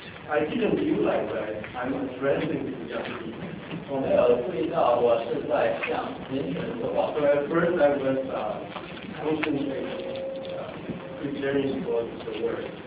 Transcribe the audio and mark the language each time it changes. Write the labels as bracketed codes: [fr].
[en] I didn't realize that I'm addressing these young people. [zh] 我没有注意到我是在向年轻人说话。 [en] So at first I was concentrating, preparing for the word.